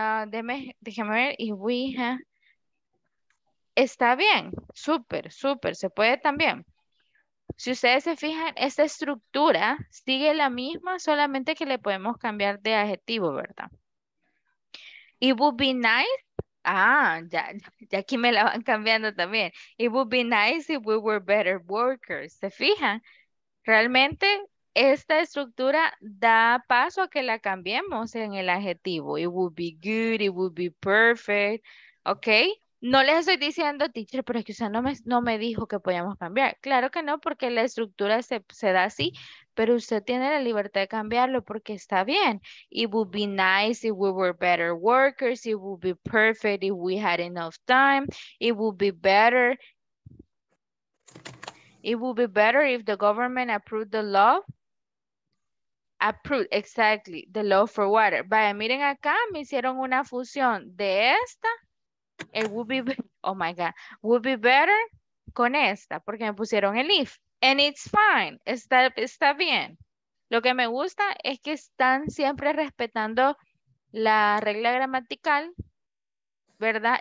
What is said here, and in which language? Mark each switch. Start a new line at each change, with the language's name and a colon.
Spanish: Déjame ver, if we have, está bien, súper, súper, se puede también. Si ustedes se fijan, esta estructura sigue la misma, solamente que le podemos cambiar de adjetivo, ¿verdad?
English: It would be nice.
Spanish: Ah, ya aquí me la van cambiando también.
English: It would be nice if we were better workers.
Spanish: ¿Se fijan? Realmente esta estructura da paso a que la cambiemos en el adjetivo.
English: It would be good, it would be perfect. ¿Ok?
Spanish: No les estoy diciendo, teacher, pero es que usted no me dijo que podíamos cambiar. Claro que no, porque la estructura se da así, pero usted tiene la libertad de cambiarlo porque está bien.
English: It would be nice if we were better workers. It would be perfect if we had enough time. It would be better. It would be better if the government approved the law. Approved, exactly, the law for water.
Spanish: Vaya, miren acá, me hicieron una fusión de esta.
English: It would be, oh my God, would be better
Spanish: con esta, porque me pusieron el if.
English: And it's fine,
Spanish: está bien. Lo que me gusta es que están siempre respetando la regla gramatical, ¿verdad?